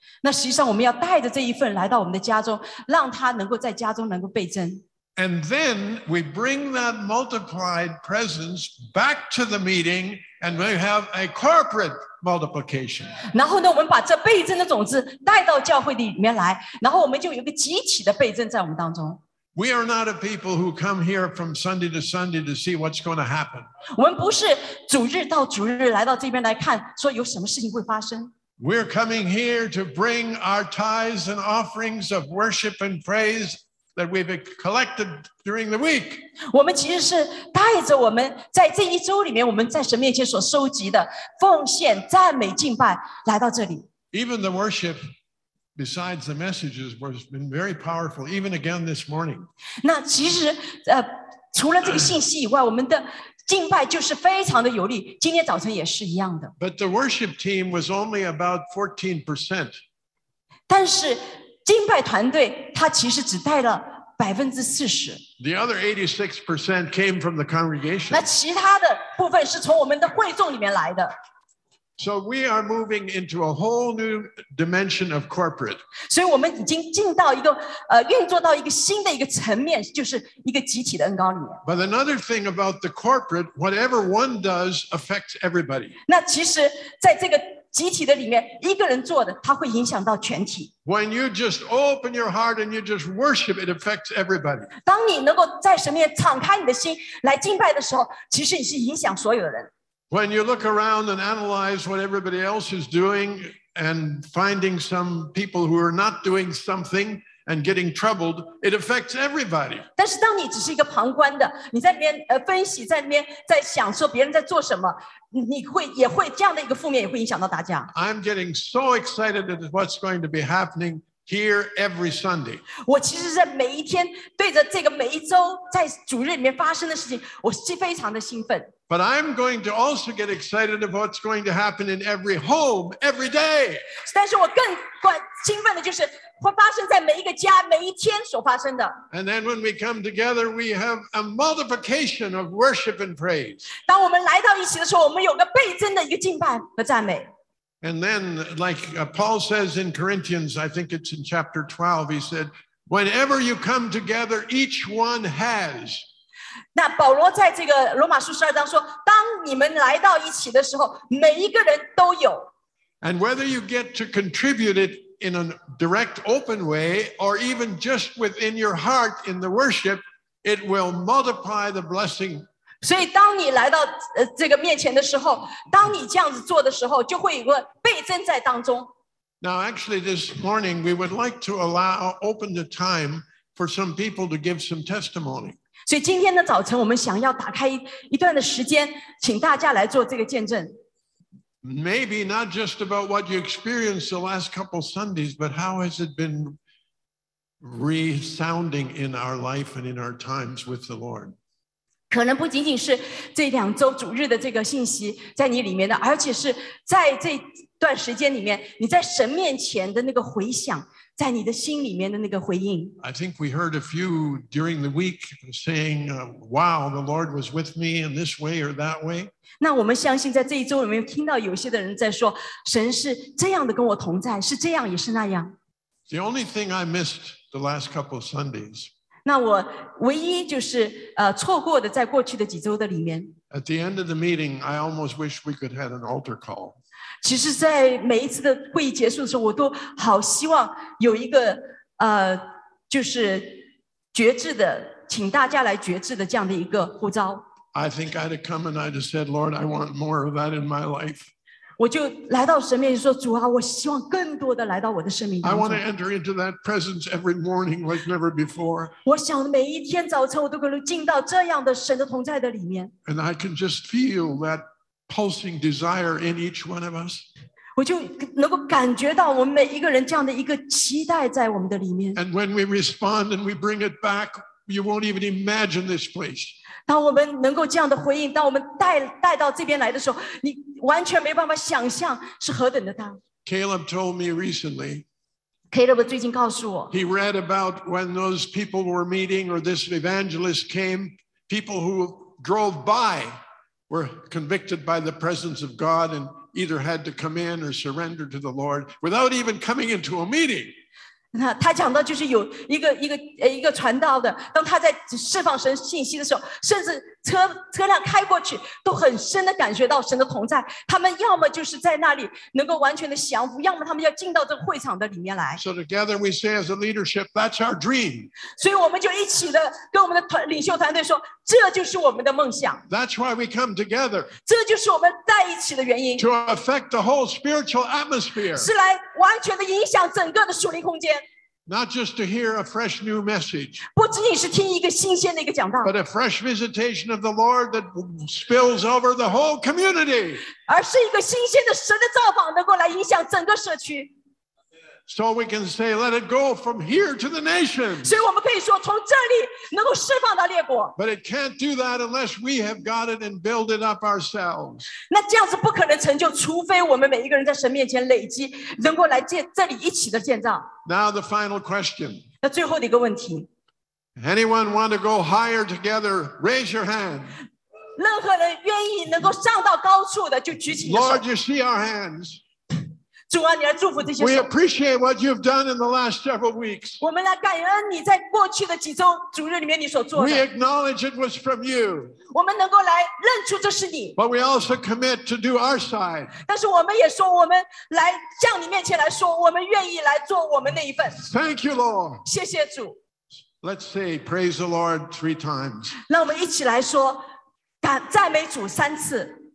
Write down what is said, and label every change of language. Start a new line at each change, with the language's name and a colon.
Chinese: 那实际上我们要带着这一份来到我们的家中，让它能够在家中能够倍增。
English: And then we bring that multiplied presence back to the meeting and we have a corporate multiplication.
Chinese: 然后呢，我们把这倍增的种子带到教会里面来，然后我们就有一个集体的倍增在我们当中。
English: We are not a people who come here from Sunday to Sunday to see what's going to happen.
Chinese: 我们不是主日到主日来到这边来看，说有什么事情会发生。
English: We're coming here to bring our tithes and offerings of worship and praise. That we've collected during the week.
Chinese: 我们其实是带着我们在这一周里面我们在神面前所收集的奉献、赞美、敬拜来到这里。
English: Even the worship, besides the messages, has been very powerful. Even again this morning.
Chinese: 那其实除了这个信息以外，我们的敬拜就是非常的有力。今天早晨也是一样的。
English: But the worship team was only about 14%.
Chinese: 但是。敬拜团队他其实只带了40%。
English: The other 86% came from the congregation.
Chinese: 那其他的部分是从我们的会众里面来的。
English: So we are moving into a whole new dimension of corporate.
Chinese: 所以我们已经进到一个运作到一个新的一个层面，就是一个集体的恩膏里面。
English: But another thing about the corporate, whatever one does affects everybody.
Chinese: 那其实在这个集体的里面，一个人做的，他会影响到全体。
English: When you just open your heart and you just worship, it affects everybody.
Chinese: 当你能够在神面前敞开你的心来敬拜的时候，其实你是影响所有人。
English: When you look around and analyze what everybody else is doing and finding some people who are not doing something, and getting troubled, it affects everybody.
Chinese: 但是当你只是一个旁观的，你在那边分析，在那边在想说别人在做什么，你会也会这样的一个负面也会影响到大家。
English: I'm getting so excited at what's going to be happening here every Sunday.
Chinese: 我其实在每一天对着这个每一周在主日里面发生的事情，我是非常的兴奋。
English: But I'm going to also get excited about what's going to happen in every home, every day.
Chinese: 但是我更关兴奋的就是会发生在每一个家每一天所发生的。
English: And then when we come together, we have a multiplication of worship and praise.
Chinese: 当我们来到一起的时候，我们有个倍增的一个敬拜和赞美。
English: And then, like Paul says in Corinthians, I think it's in chapter 12, he said, whenever you come together, each one has.
Chinese: 那保罗在这个罗马书十二章说，当你们来到一起的时候，每一个人都有。
English: And whether you get to contribute it in a direct open way, or even just within your heart in the worship, it will multiply the blessing.
Chinese: 所以当你来到这个面前的时候，当你这样子做的时候，就会有个倍增在当中。
English: Now, actually, this morning, we would like to allow, open the time for some people to give some testimony.
Chinese: 所以今天的早晨，我们想要打开一段的时间，请大家来做这个见证。
English: Maybe not just about what you experienced the last couple Sundays, but how has it been resounding in our life and in our times with the Lord?
Chinese: 可能不仅仅是这两周主日的这个信息在你里面的，而且是在这段时间里面，你在神面前的那个回响，在你的心里面的那个回应。
English: I think we heard a few during the week saying, "Wow, the Lord was with me in this way or that way."
Chinese: 那我们相信在这一周里面听到有些的人在说，神是这样的跟我同在，是这样也是那样。
English: The only thing I missed the last couple of Sundays.
Chinese: 那我唯一就是错过的在过去的几周的里面。
English: At the end of the meeting, I almost wish we could have an altar call.
Chinese: 其实在每一次的会议结束的时候，我都好希望有一个就是觉知的，请大家来觉知的这样的一个呼召。
English: I think I'd have come and I'd have said, Lord, I want more of that in my life.
Chinese: 我就来到神面前说，主啊，我希望更多的来到我的生命当中。
English: I want to enter into that presence every morning like never before.
Chinese: 我想每一天早晨我都可能进到这样的神的同在的里面。
English: And I can just feel that pulsing desire in each one of us.
Chinese: 我就能够感觉到我们每一个人这样的一个期待在我们的里面。
English: And when we respond and we bring it back, you won't even imagine this place.
Chinese: 当我们能够这样的回应，当我们带到这边来的时候，你完全没办法想象是何等的大。
English: Caleb told me recently.
Chinese: Caleb 最近告诉我。
English: He read about when those people were meeting, or this evangelist came. People who drove by were convicted by the presence of God and either had to come in or surrender to the Lord without even coming into a meeting.
Chinese: 他讲到就是有一个传道的，当他在释放神信息的时候，甚至车辆开过去都很深的感觉到神的同在。他们要么就是在那里能够完全的降服，要么他们要进到这个会场的里面来。
English: So together we say as a leadership, that's our dream.
Chinese: 所以我们就一起的跟我们的领袖团队说，这就是我们的梦想。
English: That's why we come together.
Chinese: 这就是我们在一起的原因。
English: To affect the whole spiritual atmosphere.
Chinese: 是来完全的影响整个的属灵空间。
English: Not just to hear a fresh new message,
Chinese: 不仅仅是听一个新鲜的一个讲道
English: but a fresh visitation of the Lord that spills over the whole community.
Chinese: 而是一个新鲜的神的造访能够来影响整个社区
English: So we can say, let it go from here to the nation.
Chinese: 所以我们可以说从这里能够释放到列国
English: But it can't do that unless we have got it and build it up ourselves.
Chinese: 那这样子不可能成就除非我们每一个人在神面前累积能够来这里一起的建造
English: Now the final question.
Chinese: 那最后的一个问题。
English: Anyone want to go higher together? Raise your hand.
Chinese: 任何人愿意能够上到高处的就举起手。
English: Lord, you see our hands.
Chinese: 主啊，你来祝福这些手。
English: We appreciate what you've done in the last several weeks.
Chinese: 我们来感恩你在过去的几周主日里面你所做的。
English: We acknowledge it was from you.
Chinese: 我们能够来认出这是你。
English: But we also commit to do our side.
Chinese: 但是我们也说，我们来向你面前来说，我们愿意来做我们那一份。
English: Thank you, Lord.
Chinese: 谢谢主。
English: Let's say praise the Lord three times.
Chinese: 让我们一起来说，赞美主三次。